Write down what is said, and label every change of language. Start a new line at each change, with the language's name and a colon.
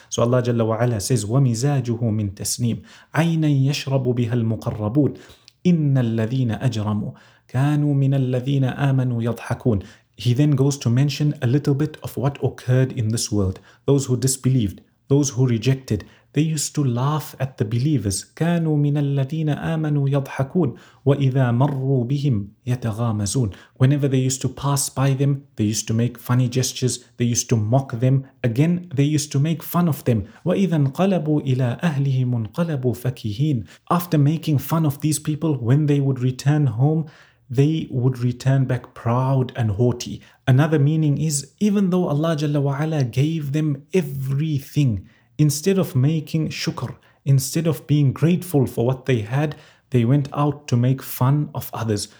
English: So Allah Jalla wa Ala says,
Arabic: وَمِزَاجُهُ مِنْ تَسْنِيمٍ عَيْنًا يَشْرَبُ بِهَا الْمُقَرَّبُونَ إِنَّ الَّذِينَ أَجْرَمُوا كَانُوا مِنَ الَّذِينَ آمَنُوا يَضْحَكُونَ.
English: He then goes to mention a little bit of what occurred in this world. Those who disbelieved, those who rejected, they used to laugh at the believers.
Arabic: كانوا من الذين آمنوا يضحكون وإذا مروا بهم يتغامزون.
English: Whenever they used to pass by them, they used to make funny gestures. They used to mock them. Again, they used to make fun of them.
Arabic: وإذا انقلبوا إلى أهلهم انقلبوا فكهين.
English: After making fun of these people, when they would return home, they would return back proud and haughty. Another meaning is, even though Allah Jalla wa Ala gave them everything, instead of making shukr, instead of being grateful for what they had, they went out to make fun of others.